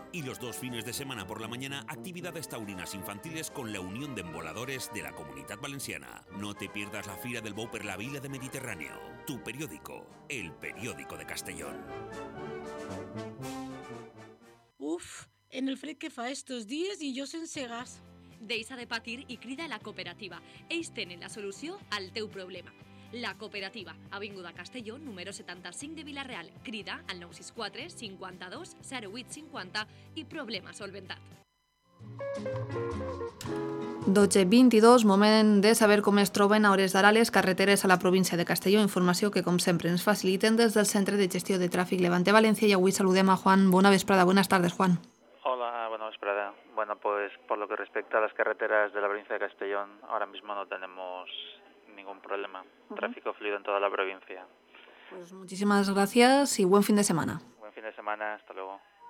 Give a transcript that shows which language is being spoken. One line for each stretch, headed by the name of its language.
Spanish: Y los dos fines de semana por la mañana, actividades taurinas infantiles con la Unión de Emboladores de la Comunidad Valenciana. No te pierdas la Fira del Bou per la Vila de Mediterráneo. Tu periódico, el periódico de Castellón.
Catalan: Uf, en el fred que fa
Spanish: estos días y yo
Catalan: sense gas. Deixa de patir i crida a la cooperativa. Ells tenen la solució al teu problema. La cooperativa, avinguda Castelló, número 75 de Villarreal. Crida al 964 52 08 50 i problema solventat. 12:22, moment de saber com es troben a hores d'ara les carreteres a la província de Castelló, informació que com sempre ens faciliten des del Centre de Gestió de Tràfic Levante València, i avui saludem a Juan. Bona vesprada,
Spanish: buenas tardes,
Catalan: Juan.
Spanish: Hola, buena vesprada. Bueno, pues por lo que respecta a las carreteras de la provincia de Castellón, ahora mismo no tenemos ningún problema. Tráfico fluido en toda la provincia. Pues muchísimas gracias y buen fin de semana. Buen fin de semana, hasta luego.